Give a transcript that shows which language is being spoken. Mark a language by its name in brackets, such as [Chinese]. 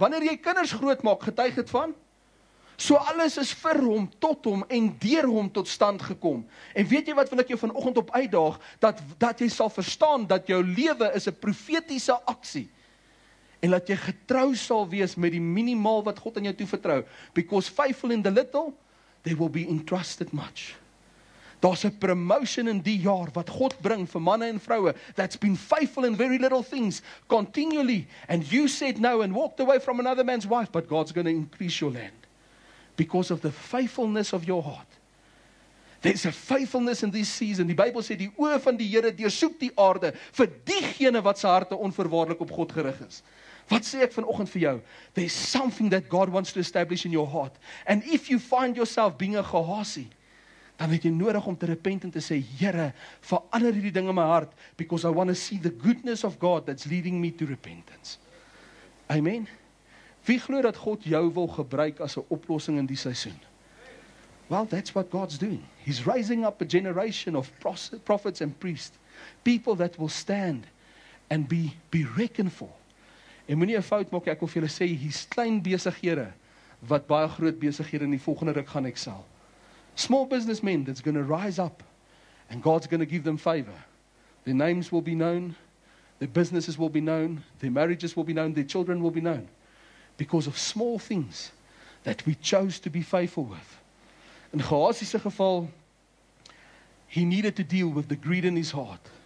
[Afrikaans] Wanneer jy kinders groot maak, getuig dit van so alles is vir hom, tot hom en deur hom tot stand gekom. En weet jy wat wil ek jou vanoggend op uitdaag, dat jy sal verstaan dat jou lewe is 'n profetiese aksie. En dat jy getrou sal wees met die minimaal wat God aan jou toevertrou. [English] Because faithful in the little, they will be entrusted much. [Afrikaans] Daar's 'n promotion in die jaar wat God bring vir manne en vroue. [English] That's been faithful in very little things continually. And you said no and walked away from another man's wife, but God's going to increase your land. Because of the faithfulness of your heart. There's a faithfulness in this season. [Afrikaans] Die Bybel sê die oë van die Here deursoek die aarde vir diegene wat sy harte onverwaardelik op God gerig is. Wat sê ek vanoggend vir jou? [English] There's something that God wants to establish in your heart. And if you find yourself being a Gehasie, [Afrikaans] dan het jy nodig om te repent en te sê, Here, verander hierdie ding in my hart, [English] because I want to see the goodness of God that's leading me to repentance. Amen. [Afrikaans] Wie glo dat God jou wil gebruik as 'n oplossing in die seisoen? [English] Well, that's what God's doing. He's raising up a generation of prophets and priests. People that will stand and be reckoned for. [Afrikaans] En moenie 'n fout maak, ek wil vir julle sê, hier's klein besighede wat baie groot besighede in die volgende ruk gaan excel. [English] Small businessmen that's going to rise up and God's going to give them favor. Their names will be known, their businesses will be known, their marriages will be known, their children will be known. Because of small things that we chose to be faithful with. [Afrikaans] In Gehasie se geval, [English] he needed to deal with the greed in his heart.